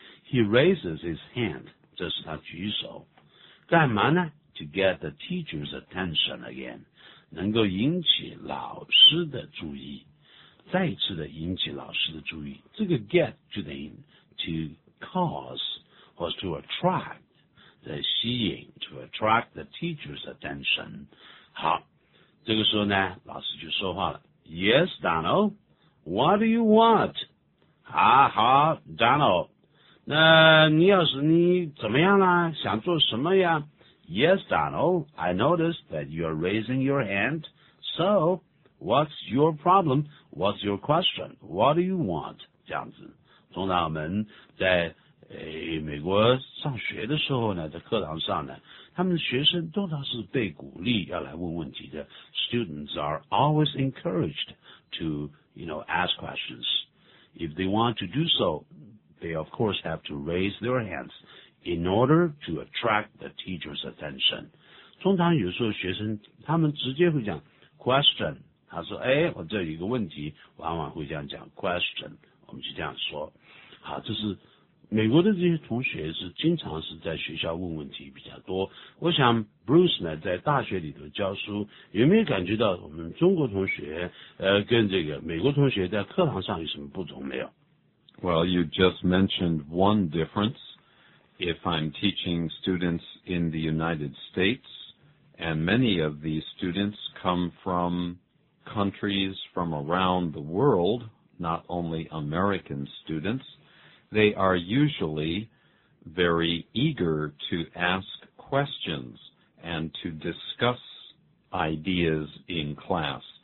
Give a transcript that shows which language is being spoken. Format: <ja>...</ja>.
<en>He raises his hand.</en> <zh>这是他举手干嘛呢</zh> <en>to get the teacher's attention again</en> <zh>能够引起老师的注意再一次的引起老师的注意这个 get 就等于</zh> <en>to cause or to attract</en> <zh>的吸引</zh> <en>to attract the teacher's attention</en> <zh>好这个时候呢老师就说话了</zh> <en>Yes Donald What do you want</en> <zh>啊好，长老，那你要是你怎么样呢？想做什么呀？</zh> <en>Yes, Donald, I noticed that you're raising your hand. So, what's your problem? What's your question? What do you want?</en> <zh>这样子，通常我们在美国上学的时候呢，在课堂上呢，他们的学生通常是被鼓励要来问问题的。</zh> <en>Students are always encouraged to, you know, ask questions. If they want to do so, they of course have to raise their hands in order to attract the teacher's attention.</en> <zh>通常有时候学生他们直接会讲 question， 他说哎，我这有一个问题，往往会这样讲 question， 我们就这样说。好，这是美国的这些同学是经常是在学校问问题比较多。我想 Bruce 呢在大学里头教书，有没有感觉到我们中国同学跟这个美国同学在课堂上有什么不同没有？</zh> <en>Well, you just mentioned one difference. If I'm teaching students in the United States, and many of these students come from countries from around the world, not only American students,They are usually very eager to ask questions and to discuss ideas in class.</en>